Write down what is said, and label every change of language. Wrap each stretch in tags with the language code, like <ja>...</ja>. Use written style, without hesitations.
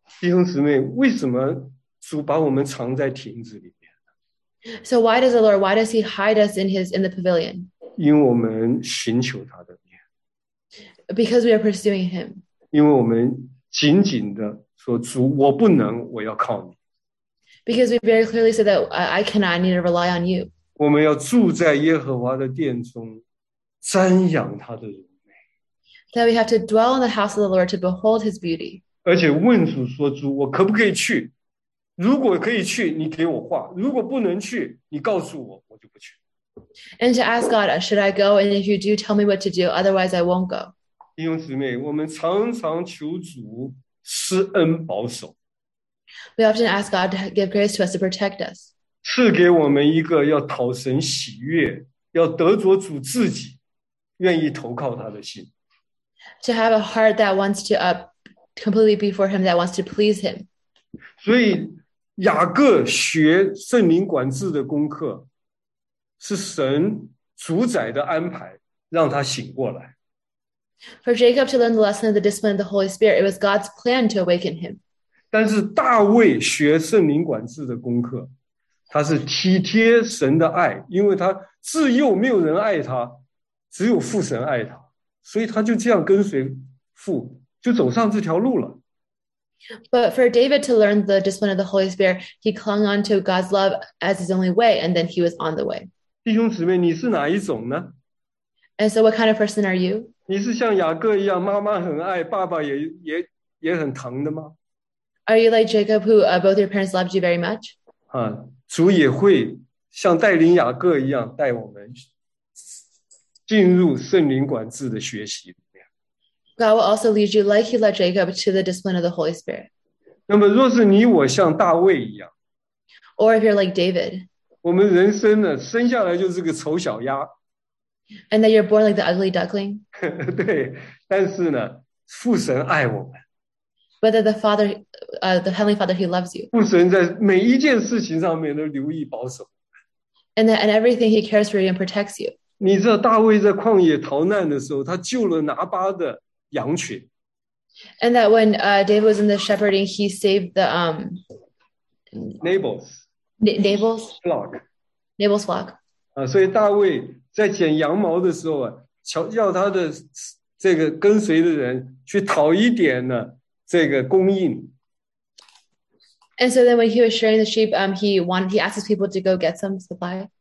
<zh>弟兄姊妹，为什么主把我们藏在亭子里？</zh> <en>So why does the Lord, why does he hide us in the pavilion?</en> <zh>因为我们寻求他的面。</zh> <en>Because we are pursuing him.</en> <zh>因为我们紧紧地说主我不能我要靠你。</zh> <en>Because we very clearly said that I cannot, I need to rely on you.</en> <zh>我们要住在耶和华的殿中瞻仰他的荣美。</zh> <en>That we have to dwell in the house of the Lord to behold his beauty.</en> <zh>而且问主说主我可不可以去。如果可以去，你给我话；如果不能去，你告诉我，我就不去。</zh> <en>And to ask God, should I go? And if you do, tell me what to do. Otherwise, I won't go.</en> <zh>弟兄姊妹，我们常常求主施恩保守。</zh> <en>We often ask God to give grace to us to protect us.</en> <zh>赐给我们一个要讨神喜悦、要得着主自己、愿意投靠他的心。</zh> <en>To have a heart that wants to completely be for Him, that wants to please Him.</en> <zh>所以雅各学圣灵管制的功课是神主宰的安排让他醒过来。</zh> <en>For Jacob to learn the lesson of the discipline of the Holy Spirit, it was God's plan to awaken him.</en> <zh>但是大卫学圣灵管制的功课他是体贴神的爱因为他自幼没有人爱他只有父神爱他所以他就这样跟随父就走上这条路了。</zh> <en>But for David to learn the discipline of the Holy Spirit, he clung on to God's love as his only way, and then he was on the way.</en> <zh>弟兄姊妹，你是哪一种呢？</zh> <en>And so what kind of person are you?</en> <zh>你是像雅各一样，妈妈很爱，爸爸也很疼的吗？</zh> <en>Are you like Jacob, who both your parents loved you very much?</en> <zh>啊，主也会像带领雅各一样，带我们进入圣灵管制的学习。</zh> <en>God will also lead you, like he led Jacob, to the discipline of the Holy Spirit.</en> <zh>那么若是你我像大卫一样</zh> <en>Or if you're like David.</en> <zh>我们人生呢，生下来就是个丑小鸭。</zh> <en>And that you're born like the ugly duckling.</en> <zh>对，但是呢，父神爱我们。</zh> <en>But that the Father, the Heavenly Father, he loves you.</en> <zh>父神在每一件事情上面都留意保守。</zh> <en>And that in everything he cares for you and protects you.</en> <zh>你知道大卫在旷野逃难的时候，他救了拿巴的。羊群</zh> <en>and that when David was in the shepherding, he saved the Nabal's flock.</en> <zh>啊，所以大卫在剪羊毛的时候啊，求要他的这个跟随的人去讨一点呢这个供应。</zh> <en>And so then when he was shearing the sheep, he asked his people to go get some supply.</en>